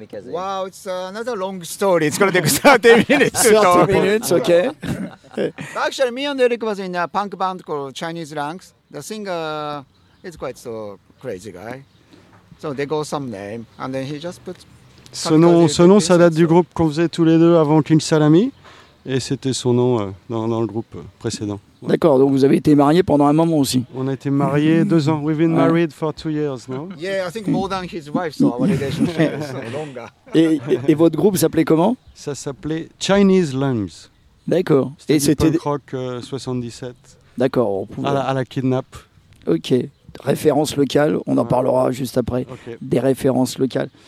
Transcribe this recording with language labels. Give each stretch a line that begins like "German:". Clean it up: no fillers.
English: Wow, it's another long story. It's going to take 30 minutes. 30 minutes, ok. Actually, me and Eric was in a punk band called Chinese Ranks. The singer is quite so crazy guy. So they got some name, and then he just put...
French: Ce nom, ça date du groupe qu'on faisait tous les deux avant King Salami, et c'était son nom dans le groupe précédent. Ouais. D'accord, donc vous avez été mariés pendant un moment aussi. On a été mariés 2 ans.
English: We've been married for 2 years, no? Yeah, I think more than his wife, so our relationship is longer.
French: Et votre groupe s'appelait comment? Ça s'appelait Chinese Lungs. D'accord. C'était et c'était punk rock 77. D'accord. À la Kidnap. Ok. Référence locale, on en parlera juste après. Okay. Des références locales.